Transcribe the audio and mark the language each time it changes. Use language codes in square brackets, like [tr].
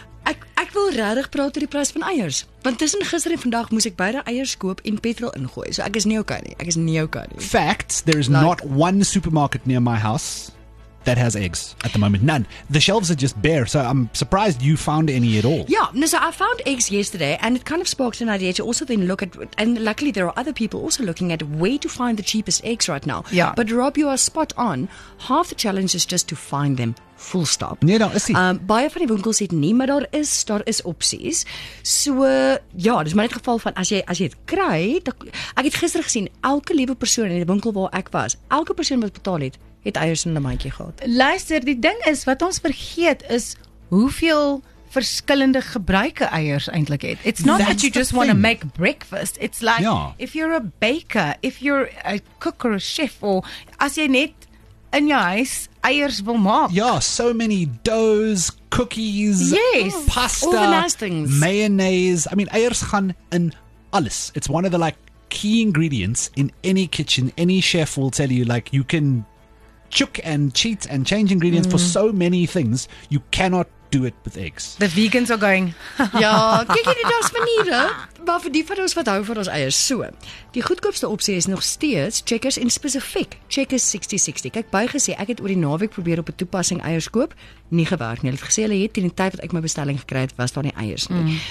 [af] Ek wil regtig praat oor die prys van eiers. Want tussen gister en vandag moes ek beide eiers koop en petrol ingooi. So ek is nie okay nie. [en] Fact, there is not one supermarket near my house that has eggs at the moment. None. The shelves are just bare. So I'm surprised you found any at all. Yeah. No, so I found eggs yesterday and it kind of sparked an idea to also then look at, and luckily there are other people also looking at where to find the cheapest eggs right now. Yeah. But Rob, you are spot on. Half the challenge is just to find them. Full stop. [af] Nee, daar is nie. Baie van die winkels het nie, maar daar is opsies. So, ja, dis maar net geval van, as jy het kry, ek het gister gesien, elke liewe persoon in die winkel waar ek was, elke persoon wat betaal het, het eiers in 'n mandjie gehad. Luister, die ding is, wat ons vergeet is, hoeveel verskillende gebruike eiers eintlik het. [en] It's not that you just want to make breakfast. It's like, if you're a baker, if you're a cook or a chef, or [af] as jy net in jou huis eiers wil maak. [en] Ja, so many doughs, cookies, pasta, all the nice things. [af] Mayonnaise. [en] I mean, [af] eiers gaan in alles. [en] It's one of the like key ingredients in any kitchen. Any chef will tell you like you can chuck and cheat and change ingredients for so many things. You cannot do it with eggs. The vegans are going, [af] ja, kyk jy nie daar's maniere. Maar vir die van ons wat hou vir ons eiers, so. Die goedkoopste opsie is nog steeds Checkers en specifiek Checkers 60-60. Kyk, baie gesê, ek het oor die naweek probeer op 'n toepassing eiers koop, nie gewerk nie. Hulle het gesê, hulle het in die tyd wat ek my bestelling gekry het, was daar nie eiers nie. Mm.